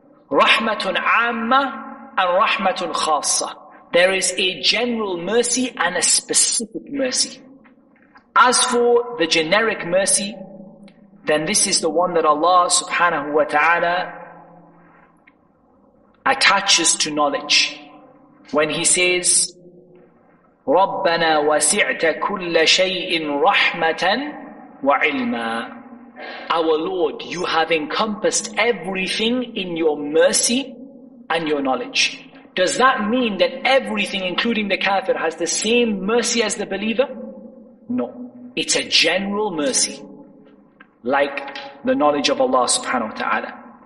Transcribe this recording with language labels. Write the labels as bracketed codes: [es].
[en] Rahmatun amma and rahmatun khassa. There is a general mercy and a specific mercy. As for the generic mercy, then this is the one that Allah subhanahu wa ta'ala attaches to knowledge. When he says, [ar] رَبَّنَا وَسِعْتَ كُلَّ شَيْءٍ رَحْمَةً وَعِلْمًا. [en] Our Lord, you have encompassed everything in your mercy and your knowledge. Does that mean that everything, including the kafir, has the same mercy as the believer? No. It's a general mercy, like the knowledge of Allah subhanahu wa ta'ala.